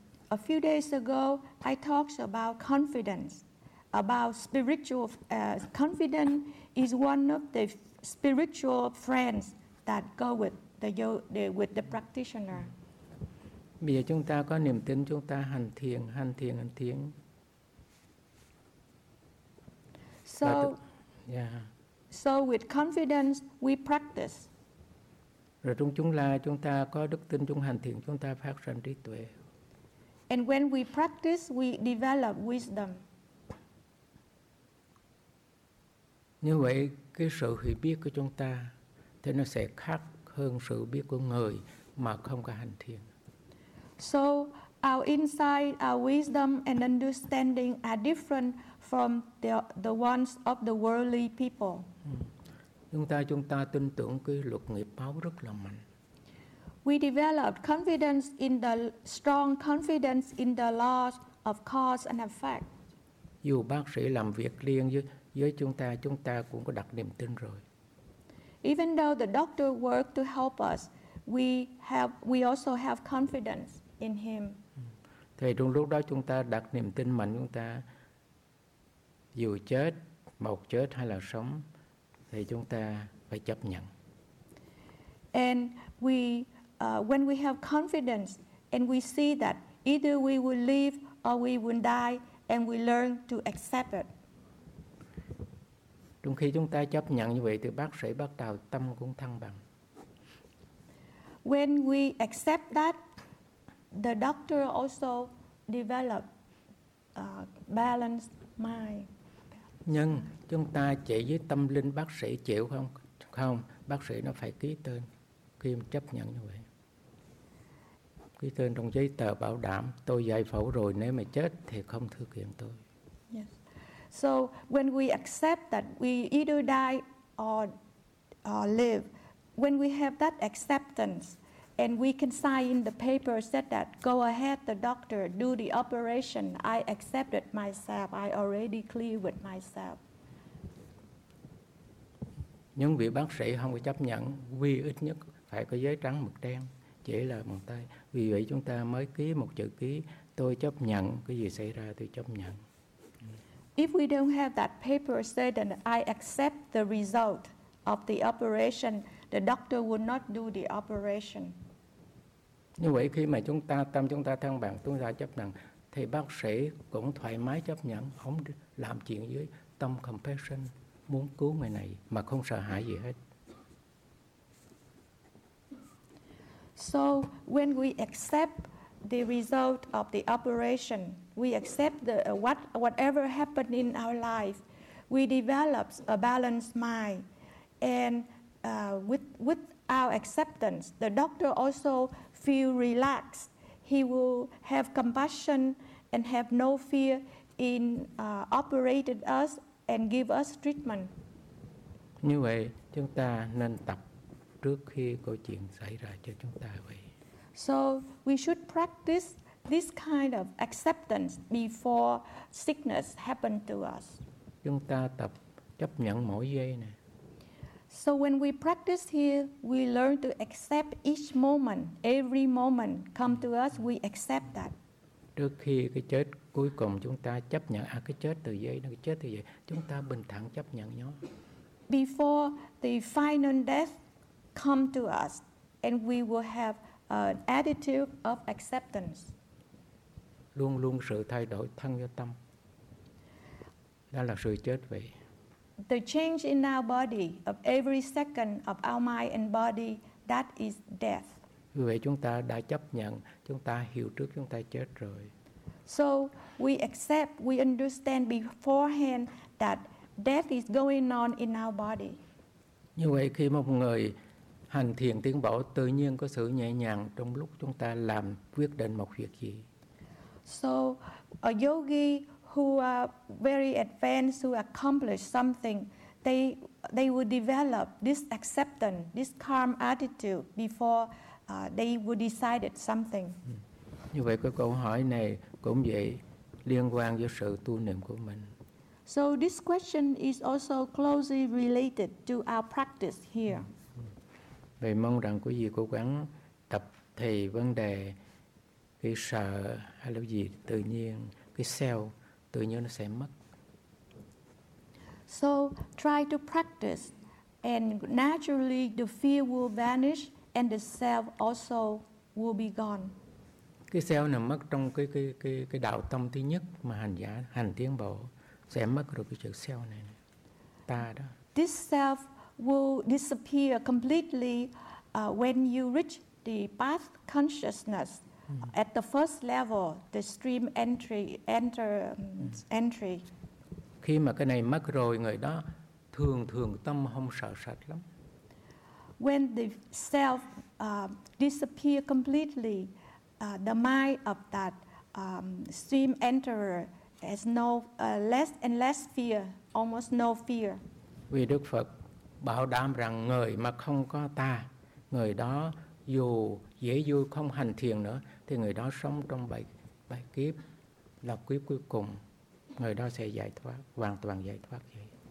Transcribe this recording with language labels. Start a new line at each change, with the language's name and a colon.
English: A few days ago, I talked about confidence, about spiritual confidence is one of the spiritual friends that go with the practitioner.
Vietnamese: Bây giờ chúng ta có niềm tin, chúng ta hành thiền, hành thiền, hành thiền.
English: So with confidence, we practice.
Vietnamese: Rồi trong chúng ta có đức tin, chúng hành thiền, chúng ta phát sanh trí tuệ.
English: And when we practice, we develop wisdom.
Vietnamese: Như vậy, cái sự hiểu biết của chúng ta, thì nó sẽ khác hơn sự biết của người mà không có hành thiền.
English: So our insight, our wisdom and understanding are different from the ones of the worldly people.
Vietnamese: Chúng ta tin tưởng cái luật nghiệp báo rất là mạnh.
English: we developed confidence in the strong confidence in the laws of cause and effect.
Vietnamese: Dù bác sĩ làm việc riêng với chúng ta cũng có đặt niềm tin rồi.
English: Even though the doctor worked to help us, we also have confidence in him.
Vietnamese: Thì trong lúc đó chúng ta đặt niềm tin mạnh chúng ta dù chết, một chết hay là sống thì chúng ta phải chấp nhận.
English: And when we have confidence and we see that either we will live or we will die and we learn to accept it.
Vietnamese: Trong khi chúng ta chấp nhận như vậy thì bác sĩ bắt đầu tâm cũng thăng bằng.
English: When we accept that, the doctor also develop balanced mind.
Vietnamese: Nhưng chúng ta chỉ với tâm linh bác sĩ chịu không? Không, bác sĩ nó phải ký tên khi chấp nhận như vậy. Ký tên trong giấy tờ bảo đảm tôi giải phẫu rồi, nếu mà chết thì không thực hiện tôi.
English: Yes. So when we accept that we either die or live, when we have that acceptance and we can sign in the paper said that go ahead the doctor do the operation, I accepted myself, I already clear with myself.
Vietnamese: Nhưng vị bác sĩ không có chấp nhận, vì ít nhất phải có giấy trắng mực đen, chỉ là bằng tay. Vì vậy chúng ta mới ký một chữ ký, tôi chấp nhận, cái gì xảy ra tôi chấp nhận.
English: If we don't have that paper said that I accept the result of the operation, the doctor would not do the operation.
Vietnamese: Như vậy khi mà chúng ta, tâm chúng ta thăng bằng, chúng ta chấp nhận, thì bác sĩ cũng thoải mái chấp nhận, không làm chuyện dưới tâm compassion, muốn cứu người này mà không sợ hãi gì hết.
English: So when we accept the result of the operation, we accept the whatever happened in our life, we develop a balanced mind. And with our acceptance, the doctor also feel relaxed. He will have compassion and have no fear in operating us and give us treatment.
Vietnamese: Như vậy, chúng ta nên tập trước khi câu chuyện xảy ra cho chúng ta vậy.
English: So we should practice this kind of acceptance before sickness happen to us.
Vietnamese: Chúng ta tập chấp nhận mỗi giây này.
English: So when we practice here, we learn to accept each moment, every moment come to us, we accept that.
Vietnamese: Trước khi cái chết cuối cùng chúng ta chấp nhận cái chết từ giây đến cái chết từ giây, chúng ta bình thản chấp nhận nhó.
English: Before the final death come to us, and we will have an attitude of acceptance.
Vietnamese: Luôn luôn sự thay đổi thân và tâm. Đó là sự chết vậy.
English: The change in our body of every second of our mind and body, that is death.
Vietnamese: Vì vậy chúng ta đã chấp nhận, chúng ta hiểu trước chúng ta chết rồi.
English: So we accept, we understand beforehand that death is going on in our body.
Vietnamese: Như vậy khi một người hành thiền tiến bộ, tự nhiên có sự nhẹ nhàng trong lúc chúng ta làm quyết định một việc gì.
English: So a yogi who are very advanced, who accomplish something, they will develop this acceptance, this calm attitude before they will decide something.
Vietnamese: Như vậy cái câu hỏi này cũng vậy, liên quan với sự tu niệm của mình.
English: So this question is also closely related to our practice here.
Vietnamese: Vậy mong rằng quý vị cố gắng tập thì vấn đề cái sợ hay là gì tự nhiên, cái self tự nhiên nó sẽ mất.
English: So try to practice and naturally the fear will vanish and the self also will be gone.
Vietnamese: Cái self nằm mất trong cái đạo tâm thứ nhất mà hành giả hành tiến bộ sẽ mất được cái chữ self này, này. Ta đó.
English: This self will disappear completely when you reach the path consciousness at the first level, the stream entry.
Vietnamese: Khi mà cái này mất rồi, người đó thường thường tâm không sợ sạch lắm.
English: When the self disappear completely, the mind of that stream enterer has no less and less fear, almost no fear.
Vietnamese: Vì Đức Phật bảo đảm rằng người mà không có ta, người đó dù dễ vui không hành thiền nữa, thì người đó sống trong bảy kiếp, là kiếp cuối cùng, người đó sẽ giải thoát, hoàn toàn giải thoát vậy.